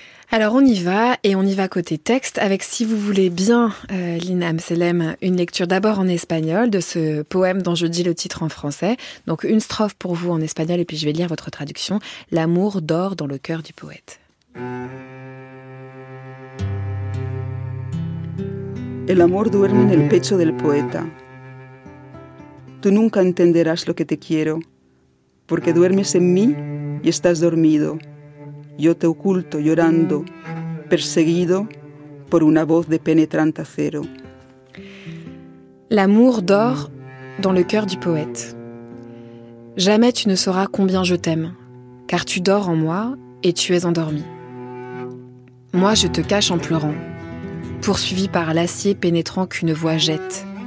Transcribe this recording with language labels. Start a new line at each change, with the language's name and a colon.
French: Alors on y va, et on y va côté texte, avec, si vous voulez bien, Lina Amselem, une lecture d'abord en espagnol de ce poème dont je dis le titre en français. Donc une strophe pour vous en espagnol, et puis je vais lire votre traduction. L'amour dort dans le cœur du poète.
Spanish: El amor duerme en el pecho del poeta. Tú nunca entenderás lo que te quiero, porque duermes en mí y estás dormido. Yo te oculto llorando, perseguido por una voz de penetrante acero.
French: L'amour dort dans le cœur du poète. Jamais tu ne sauras combien je t'aime, car tu dors en moi et tu es endormi. Moi, je te cache en pleurant, poursuivi par l'acier pénétrant qu'une voix jette.